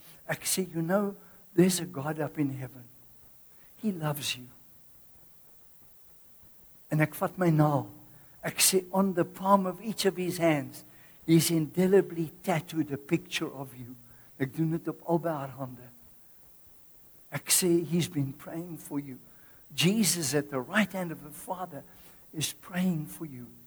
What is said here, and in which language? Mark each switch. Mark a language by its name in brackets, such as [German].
[Afrikaans] Ek sê, [English] you know, there's a God up in heaven. He loves you. [Afrikaans] En ek vat my naal. Ek sê, [English] on the palm of each of his hands, he's indelibly tattooed a picture of you. [Afrikaans] Ek doen dit op albei haar hande. Ek sê, [English] he's been praying for you. Jesus at the right hand of the Father is praying for you.